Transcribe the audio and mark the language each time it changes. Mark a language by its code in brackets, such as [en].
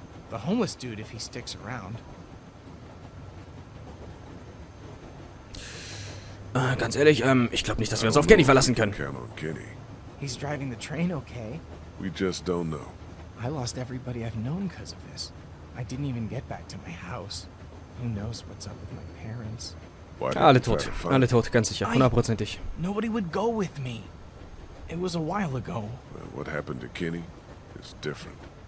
[en] The homeless dude, if he sticks around. [de] Ganz ehrlich, ich glaube nicht, dass wir uns auf Kenny verlassen können. [en] Count on Kenny. He's driving the train, okay? We just don't know. I lost everybody I've known because of this. I didn't even get back to my house. Who knows what's up with my parents? [de] Alle tot, ganz sicher, hundertprozentig. [en] Nobody would go with me. It was a while ago. Well, what happened to Kenny is different.